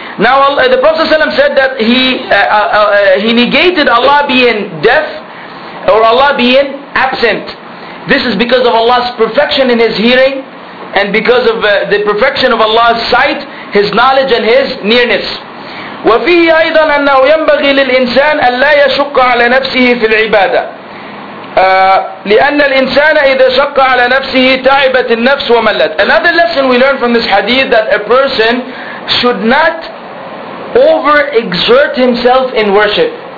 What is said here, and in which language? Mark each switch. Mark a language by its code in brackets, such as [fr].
[en] Now the Prophet ﷺ said that he negated Allah being deaf or Allah being absent. This is because of Allah's perfection in His hearing and because of the perfection of Allah's sight, His knowledge and His nearness. [ar] وَفِيهِ أَيْضًا أَنَّهُ يَنْبَغِي لِلْإِنسَانِ أَلَّا يَشُقَّ عَلَى نَفْسِهِ فِي الْعِبَادَةِ لأن الإنسان إذا شق على نفسه تعبت النفس وملت. [en] Another lesson we learn from this hadith that a person should not overexert himself in worship.